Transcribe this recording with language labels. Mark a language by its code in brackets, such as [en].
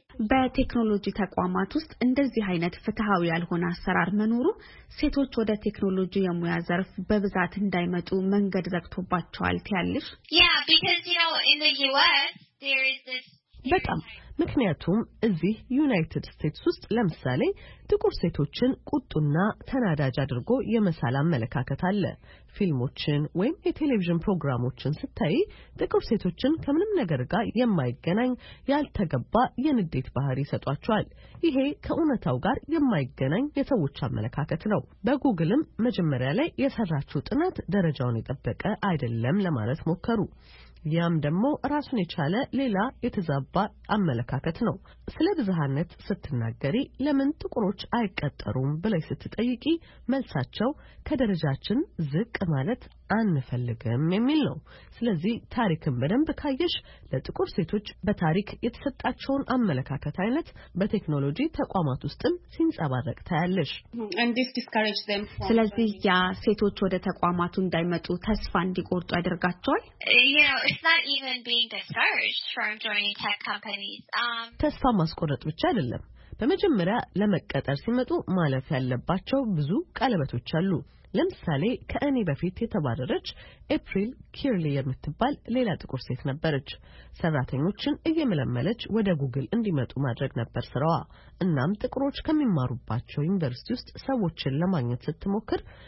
[am] በቴክኖሎጂ ተቋማት ውስጥ እንደዚህ አይነት ፍትሃዊ ያልሆነ አሰራር መኖሩ ሴቶች ወደ ቴክኖሎጂ የሙያ ዘርፍ በብዛት እንዳይመጡ መንገድ ዘግቶባቸዋል ትያለሽ? [en] Yeah, because you know in the US there is this [am] በጣም ምክንያቱም እዚህ ዩናይትድ ስቴትስ ውስጥ ለምሳሌ ጥቁር ሴቶችን ቁጡና ተናዳጅ አድርጎ የመሳል አመለካከት አለ። ፊልሞችን ወይም የቴሌቪዥን ፕሮግራሞችን ስታይ ጥቁር ሴቶችን ከምንም ነገር ጋር የማይገናኝ ያልተገባ የንዴት ባህሪ ሰጧቸዋል። ይሄ ከእውነታው ጋር የማይገናኝ የሰዎች አመለካከት ነው። በጉግልም መጀመሪያ ላይ የሰራችው ጥናት ደረጃውን የጠበቀ አይደለም ለማለት ሞከሩ። ያም ደግሞ ራስን የቻለ ሌላ የተዛባ አመለካከት ነው። ስለ ብዝሃነት ስትናገሪ ለምን ጥቁሮች አይቀጠሩም ብለሽ ስትጠይቂ መልሳቸው ከደረጃችን ዝቅ ማለት አንፈልግም የሚል ነው። ስለዚህ ታሪክን በደንብ ካየሽ ለጥቁር ሴቶች በታሪክ የተሰጣቸውን አመለካከት አይነት በቴክኖሎጂ ተቋማት ውስጥም ሲንጸባረቅ ታያለሽ። ስለዚህ ያ ሴቶች ወደ ተቋማቱ እንዳይመጡ ተስፋ እንዲቆርጡ ያደርጋቸዋል። [en] It's not even being discouraged from joining tech companies. [am] ተስፋ ማስቆረጥ ብቻ አይደለም። በመጀመሪያ ለመቀጠር ሲመጡ ማለፍ ያለባቸው ብዙ ቀለበቶች አሉ። ለምሳሌ ከእኔ በፊት የተባረረች ኤፕሪል ኪርሊ የምትባል ሌላ ጥቁር ሴት ነበረች። ሰራተኞችን እየመለመለች ወደ ጉግል እንዲመጡ ማድረግ ነበር ስራዋ። እናም ጥቁሮች ከሚማሩባቸው ዩኒቨርሲቲ ውስጥ ሰዎችን ለማግኘት ስትሞክር